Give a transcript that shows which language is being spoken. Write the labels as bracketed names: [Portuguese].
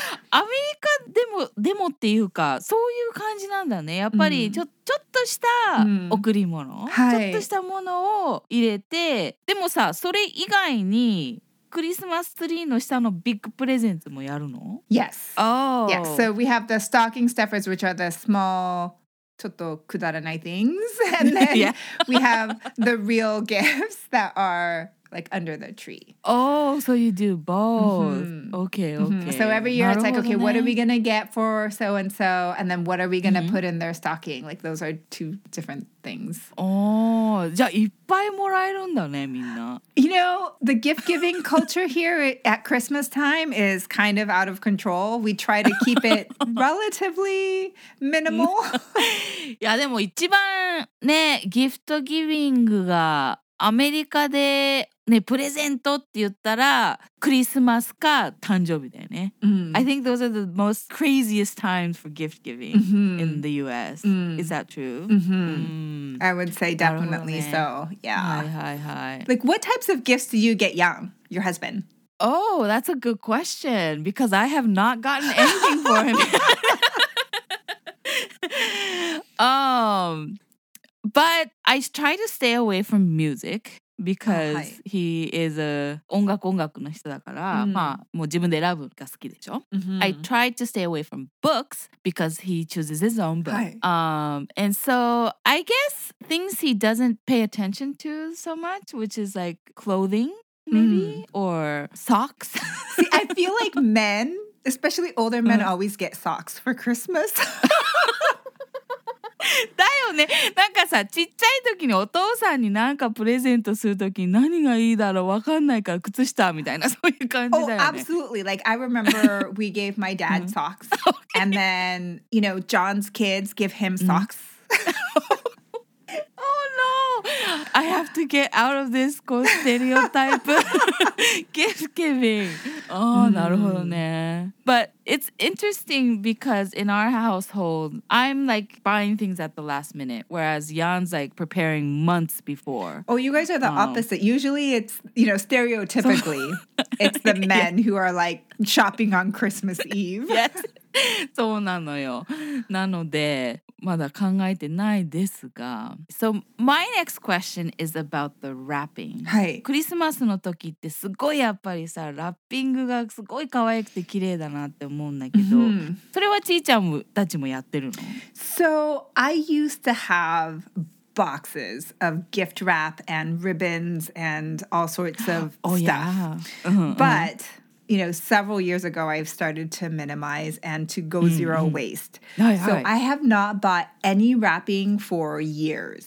[Japanese] アメリカでもっていうかそういう感じなんだね。やっぱりちょっとした贈り物、ちょっとしたものを入れて、でもさ、それ以外にクリスマスツリーの下のビッグプレゼントもやるの？ [English] Yes. Oh. Yes. So we have the stocking stuffers, which are the small, [Japanese] ちょっとくだらない [English] things. And then we have the real gifts that are... like under the tree. Oh, so you do both. Okay. So every year it's like, okay, what are we going to get for so-and-so? And then what are we going to put in their stocking? Like those are two different things. [Japanese] Oh, じゃあいっぱいもらえるんだね、みんな。 [English] You know, the gift-giving culture here at Christmas time is kind of out of control. We try to keep it relatively minimal. [Japanese] いやでも一番ね、ギフトギビングがアメリカでね、プレゼントって言ったらクリスマスか誕生日だよね。 Mm. [English] I think those are the most craziest times for gift giving、mm-hmm. in the US.、 Mm. Is that true?、 Mm-hmm. Mm. I would say definitely、ね、so. Yeah. Hi, hi, hi. Like, what types of gifts do you get young, your husband? Oh, that's a good question because I have not gotten anything for him yet. But I try to stay away from music. Because、oh, he is a [Japanese] 音楽音楽の人だから、mm. まあ、もう自分で選ぶが好きでしょ、 mm-hmm. [English] I tried to stay away from books because he chooses his own book.、 Hi. And so I guess things he doesn't pay attention to so much, which is like clothing maybe、mm. or socks. See, I feel like men, especially older men,、mm. always get socks for Christmas. [Japanese] だよね。なんかさ、ちっちゃい時にお父さんになんかプレゼントする時に何がいいだろう、わかんないから靴下みたいな、そういう感じだよね。 [English] Oh, absolutely. Like, I remember we gave my dad socks. And then, you know, John's kids give him socks. Oh, no. I have to get out of this stereotype gift giving. [Japanese] Oh, なるほどね。 [English] But it's interesting because in our household, I'm like buying things at the last minute, whereas Jan's like preparing months before. Oh, you guys are the opposite. Usually it's, you know, stereotypically, it's the men who are like shopping on Christmas Eve. [Japanese] Yes, そうなのよ。なので、まだ考えてないですが。 [English] So my next question is about the wrapping. [Japanese] はい。クリスマスの時ってすごいやっぱりさ、ラッピングがすごい可愛くて綺麗だなって思うんだけど、mm-hmm. それはちーちゃんたちもやってるの? [English] So I used to have boxes of gift wrap and ribbons and all sorts of oh, stuff. Yeah. But... You know, several years ago, I've started to minimize and to go zero waste. Mm-hmm. So I have not bought any wrapping for years.